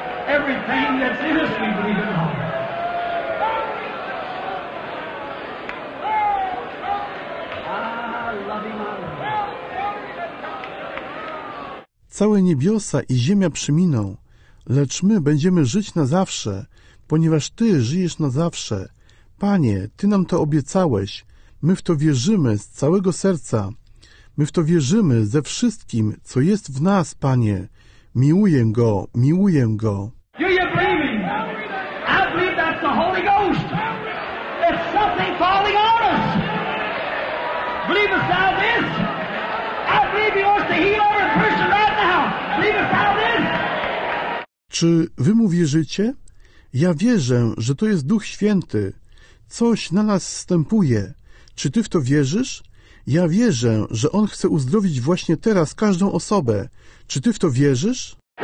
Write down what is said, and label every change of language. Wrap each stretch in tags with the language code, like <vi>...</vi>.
<en>Everything that's in us, we believe in all. I love him, I love him.</en> <pl>całe niebiosa i ziemia przeminą, lecz my będziemy żyć na zawsze, ponieważ Ty żyjesz na zawsze. Panie, Ty nam to obiecałeś. My w to wierzymy z całego serca. My w to wierzymy ze wszystkim, co jest w nas, Panie. Miłuję Go, miłuję Go.</pl> <en>Do you believe me? I believe that's the Holy Ghost. There's something falling on us. Believest thou this? I believe He wants to heal every person right now. Believest thou this?</en> <pl>Czy Wy mu wierzycie? Ja wierzę, że to jest Duch Święty. Coś na nas zstępuje. Czy Ty w to wierzysz? Ja wierzę, że On chce uzdrowić właśnie teraz każdą osobę. Czy Ty w to wierzysz?</pl>